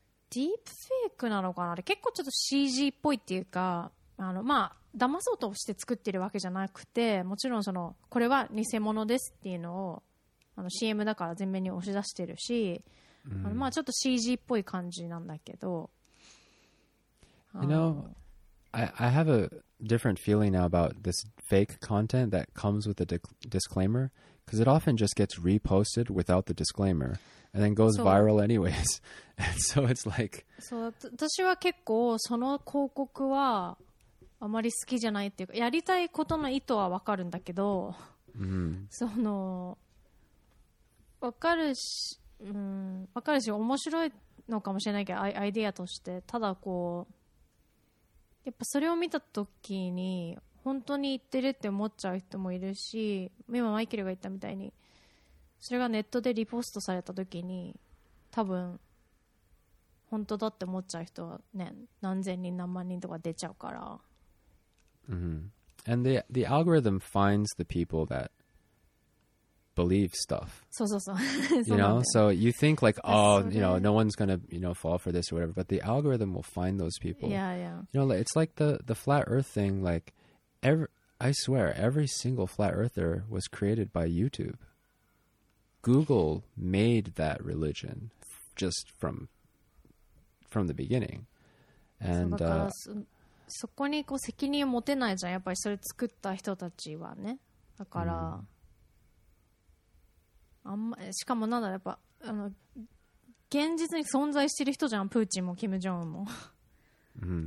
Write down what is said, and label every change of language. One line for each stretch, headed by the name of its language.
Japanese: ディープフェイクなのかな、結構ちょっと CG っぽいっていうか、あの、まあ、騙そうとして作ってるわけじゃなくて、もちろんそのこれは偽物ですっていうのをあの CM だから前面に押し出してるし、うん、あの、まあ、ちょっと CG っぽい感じなんだけど、
English: You know, I have a different feeling now about this fake content that comes with a disclaimer, because it often just gets reposted without the disclaimer and then goes viral anyways. And so it's like,
Japanese: そう、私は結構その広告はあまり好きじゃないっていうか、やりたいことの意図は分かるんだけど、 mm-hmm. その分かるし、分かるし面白いのかもしれないけど、アイデアとして、ただこうやっぱそれを見た時に本当に言ってるって思っちゃう人もいるし、今マイケルが言ったみたいにそれがネットでリポストされた時に多分本当だって思っちゃう人はね、何千人何万人とか出ちゃうから、 Mm-hmm.
English: And the algorithm finds the people that believe stuff. So, so, so. You know, so you think like, oh, you know, no one's going to, you know, fall for this or whatever, but the algorithm will find those people. Yeah, yeah. You know, it's like the flat earth thing. Like, I swear, every single flat earther was created by YouTube. Google made that religion just from the beginning. And,
Japanese: そこにこう責任を持てないじゃん、やっぱりそれ作った人たちはね、だから、うん、あんま、しかもなんだ、やっぱあの現実に存在してる人じゃん、プーチンもキム・ジョンウンも、うん、